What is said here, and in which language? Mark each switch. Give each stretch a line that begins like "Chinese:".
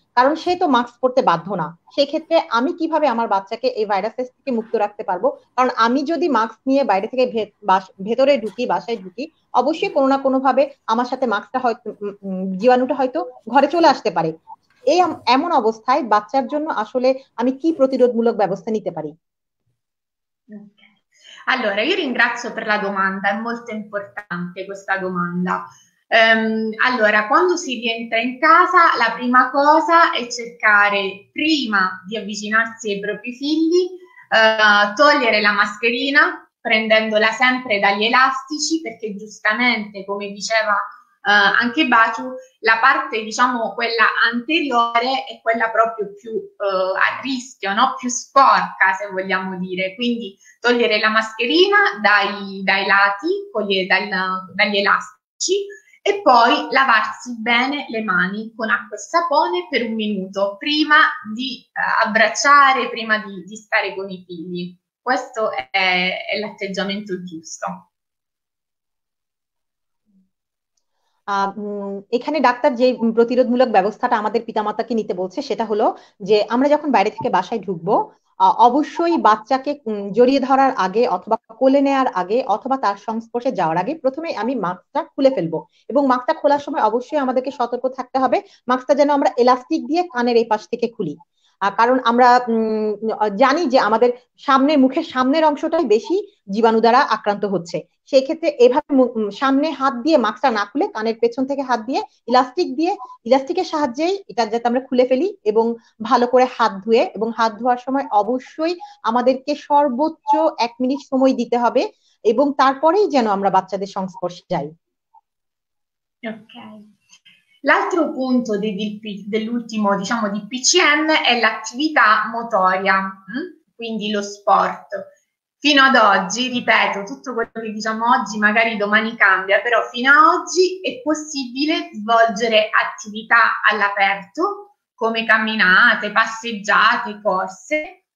Bangla: কারণ সে তো মাস্ক পরতে বাধ্য না। সেক্ষেত্রে আমি কিভাবে আমার বাচ্চাকে এই ভাইরাসের থেকে মুক্ত রাখতে পারবো? কারণ আমি যদি মাস্ক নিয়ে বাইরে থেকে ভেতরে ঢুকি, বাসায় ঢুকি, অবশ্যই কোনো না কোনো ভাবে আমার সাথে মাস্কটা হয়তো, জীবাণুটা হয়তো ঘরে চলে আসতে পারে। এই এমন অবস্থায় বাচ্চার জন্য আসলে আমি কি প্রতিরোধমূলক ব্যবস্থা নিতে পারি?
Italian: Allora, io ringrazio per la domanda, è molto importante questa domanda. Allora, quando si rientra in casa, la prima cosa è cercare, prima di avvicinarsi ai propri figli, togliere la mascherina, prendendola sempre dagli elastici, perché giustamente, come diceva anche Baciu, la parte, diciamo, quella anteriore è quella proprio più a rischio, no? Più sporca, se vogliamo dire. Quindi togliere la mascherina dai lati, dagli elastici, e poi lavarsi bene le mani con acqua e sapone per 1 minuto prima di abbracciare, prima di stare con i figli. Questo è l'atteggiamento giusto.
Bangla: এখানে doctor যে প্রতিরোধমূলক ব্যবস্থাটা আমাদের পিতামাতাকে নিতে বলছে, সেটা হলো যে আমরা যখন বাইরে থেকে বাসায় ঢুকবো, অবশ্যই বাচ্চাকে জড়িয়ে ধরার আগে অথবা কোলে নেয়ার আগে অথবা তার সংস্পর্শে যাওয়ার আগে প্রথমে আমি মাস্কটা খুলে ফেলবো, এবং মাস্কটা খোলার সময় অবশ্যই আমাদেরকে সতর্ক থাকতে হবে, মাস্কটা যেন আমরা এলাস্টিক দিয়ে কানের এই পাশ থেকে খুলি। কারণ আমরা জানি যে আমাদের সামনের, মুখের সামনের অংশটাই বেশি জীবাণু দ্বারা আক্রান্ত হচ্ছে, সেক্ষেত্রে এভাবে সামনে হাত দিয়ে মাস্কটা না খুলে কানের পেছন থেকে হাত দিয়ে ইলাস্টিকের সাহায্যেই এটা যাতে আমরা খুলে ফেলি, এবং ভালো করে হাত ধুয়ে, এবং হাত ধোয়ার সময় অবশ্যই আমাদেরকে সর্বোচ্চ 1 মিনিট সময় দিতে হবে, এবং তারপরেই যেন আমরা বাচ্চাদের সংস্পর্শে যাই। Ok. L'altro punto dell'ultimo, diciamo, DPCM è l'attività motoria, quindi lo sport. Fino ad oggi, ripeto, tutto quello che diciamo oggi magari domani cambia, però fino ad oggi è possibile svolgere attività all'aperto, come camminate, passeggiate, corse.